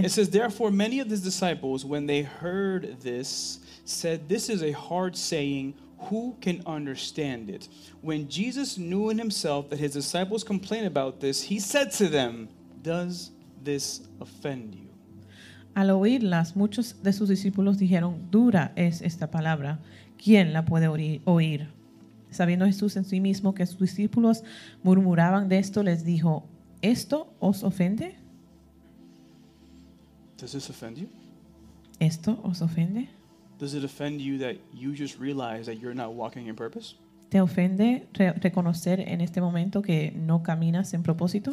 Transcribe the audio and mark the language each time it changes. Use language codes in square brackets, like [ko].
[en] it says, therefore many of his disciples, when they heard this, said, this is a hard saying, who can understand it? When Jesus knew in himself that his disciples complained about this, he said to them, does this offend you? [es] Al oírlas, muchos de sus discípulos dijeron, dura es esta palabra, ¿quién la puede oír? Sabiendo Jesús en sí mismo que sus discípulos murmuraban de esto, les dijo, ¿esto os ofende? [en] Does this offend you? [es] ¿Esto os ofende? [en] Does it offend you that you just realize that you're not walking in purpose? [es] ¿Te ofende reconocer en este momento que no caminas en propósito?